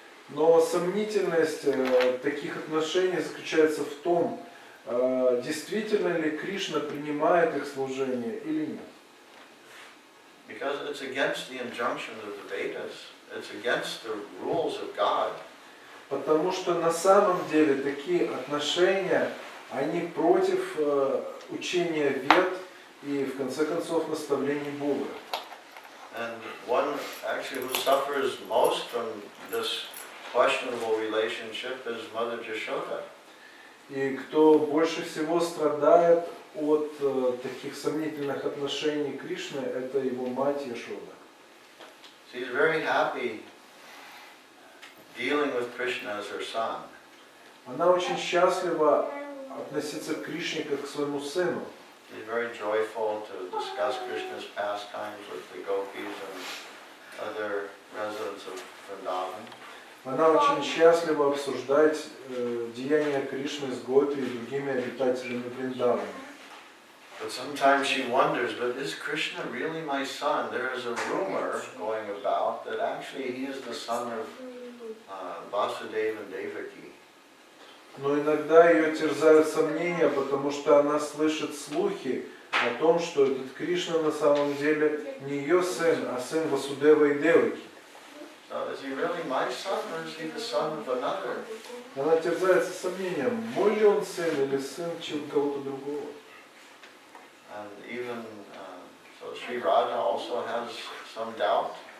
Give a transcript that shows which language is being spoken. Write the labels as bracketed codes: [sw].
[ru] Но сомнительность таких отношений заключается в том, действительно ли Кришна принимает их служение или нет. [en] Because it's against the injunctions of the Vedas, it's against the rules of God. [ru] Потому что на самом деле такие отношения, они против учения Вед и в конце концов наставлений Бога. [en] And one actually who suffers most from this questionable relationship is Mother Jashoda. [ru] И кто больше всего страдает от таких сомнительных отношений Кришны, это его мать Яшода. [en] She is very happy dealing with Krishna as her son. [ru] Она очень счастлива относиться к Кришне как к своему сыну. [en] She is very joyful to discuss Krishna's pastimes with the gopis and other residents of Vrindavan. [ru] Она очень счастлива обсуждать деяния Кришны с гопи и другими обитателями Вриндавана. [en] But sometimes she wonders, but is Krishna really my son? There is a rumor going about that actually he is the son of Vasudeva and Devaki. [ru] Но иногда ее терзают сомнения, потому что она слышит слухи о том, что этот Кришна на самом деле не ее сын, а сын Васудева и Девы. [en] Is he really my son, or is he the son of another? [ru] Она терзается сомнением, мой ли он сын или сын чего-то другого. [en] And even so, Sri Radha also has some doubt.